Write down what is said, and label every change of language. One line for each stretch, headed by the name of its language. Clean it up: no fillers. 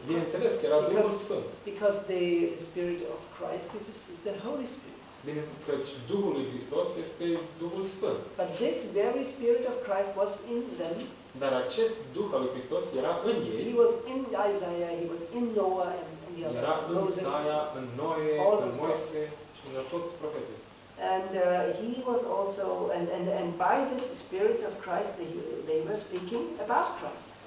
Romanian: Bineînțeles că era Duhul Sfânt.
English: Because the spirit of Christ is the Holy Spirit.
Romanian: Căci Duhul lui Hristos este Duhul Sfânt.
English: But this very spirit of Christ was in them.
Romanian: Dar acest Duh al lui Hristos era în ei.
English: He was in Isaiah, he was in Noah and
Romanian: era în Isaia, în Noe,
English: all
Romanian: în Moise și în toți profeții.
English: And he was also and by this spirit of Christ they were speaking about Christ.